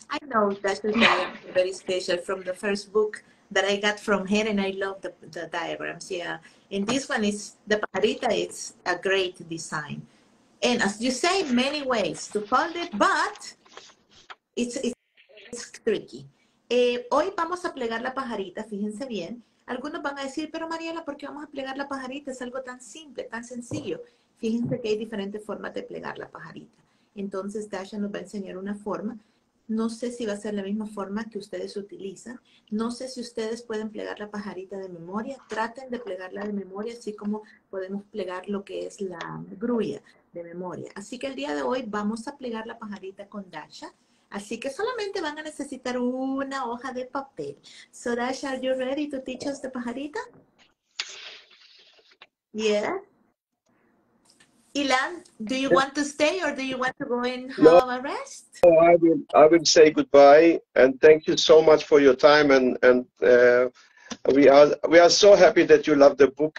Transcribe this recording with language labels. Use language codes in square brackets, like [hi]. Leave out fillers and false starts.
[en] I know Dasha's diagrams are very special from the first book that I got from her, and I love the diagrams. Yeah, and this one is the pajarita. It's a great design, and as you say, many ways to fold it, but it's tricky. [es] Hoy vamos a plegar la pajarita. Fíjense bien. Algunos van a decir, pero Mariela, ¿por qué vamos a plegar la pajarita? Es algo tan simple, tan sencillo. Fíjense que hay diferentes formas de plegar la pajarita. Entonces, Dasha nos va a enseñar una forma. No sé si va a ser la misma forma que ustedes utilizan. No sé si ustedes pueden plegar la pajarita de memoria. Traten de plegarla de memoria, así como podemos plegar lo que es la grulla de memoria. Así que el día de hoy vamos a plegar la pajarita con Dasha. Así que solamente van a necesitar una hoja de papel. [en] So, Dasha, are you ready to teach us the pajarita? Yeah. Ilan, do you want to stay or do you want to go and have a rest? No, I will say goodbye and thank you so much for your time, and we are so happy that you love the book.